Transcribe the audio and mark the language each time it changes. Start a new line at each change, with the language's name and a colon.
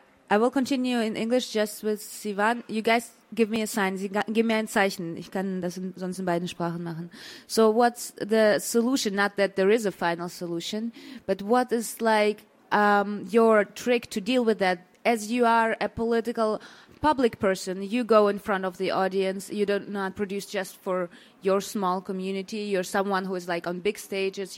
English: I will continue in English just with Sivan. You guys give me a sign. Give me
German: ein Zeichen. Ich kann das sonst in beiden Sprachen machen.
English: So what's the solution? Not that there is a final solution, but what is like your trick to deal with that? As you are a political public person, you go in front of the audience. You do not produce just for your small community. You're someone who is like on big stages.